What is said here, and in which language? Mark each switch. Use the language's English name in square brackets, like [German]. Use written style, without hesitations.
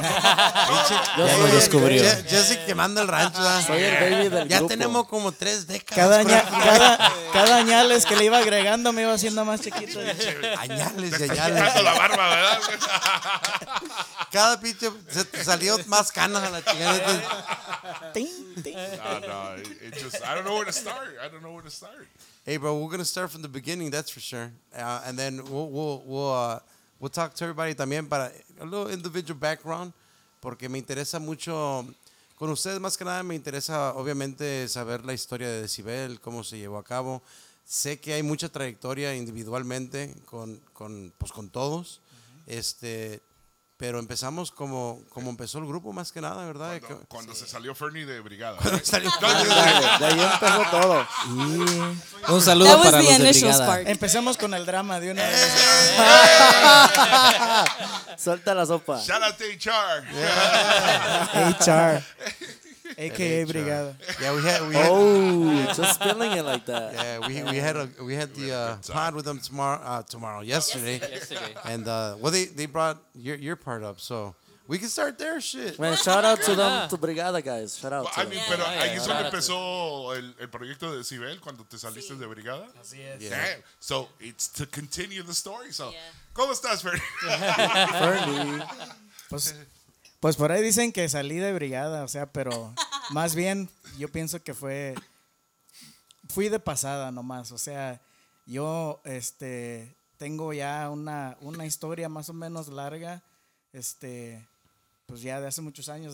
[Spanish] Ya lo descubrió. Jesse quemando el rancho. Soy el baby del grupo. Ya tenemos como 3 décadas. Cada añales que le iba agregando me iba haciendo más chiquito. Añales. Dejando la barba, ¿verdad? Cada pinche se salió más canas a la chingada. [English] No, it just, I don't know where to start. Hey, bro, we're going to start from the beginning, that's for sure. And then we'll talk to everybody [Spanish] también para [English] a little individual background, [Spanish] porque me interesa mucho, con ustedes más que nada, me interesa obviamente saber la historia de Dezibel, cómo se llevó a cabo. Sé que hay mucha trayectoria individualmente con todos, uh-huh. Pero empezamos como empezó el grupo, más que nada, ¿verdad? Cuando sí. Se salió Fernie de Brigada. De ahí empezó todo. Yeah. Un saludo para los de Brigada. Spark. Empecemos con el drama de una vez. Suelta la sopa. [English] Shout out to HR. Yeah. HR. AKA HR. Brigada. Yeah, we had just spilling it like that. Yeah, we had the pod with them yesterday. Yesterday. And they brought your part up, so we can start there, shit. Man, shout out to them, to Brigada guys. Shout out. [Spanish] Well, pero ahí solo empezó el proyecto de Dezibel cuando te saliste de Brigada. Así es. [English] Yeah. Damn. So it's to continue the story. So, [Spanish] ¿cómo estás, Fernie? [English] Fernie. [Spanish] Pues por ahí dicen que salí de Brigada, o sea, pero más bien yo pienso que fui de pasada nomás, o sea, yo tengo ya una historia más o menos larga, pues ya de hace muchos años.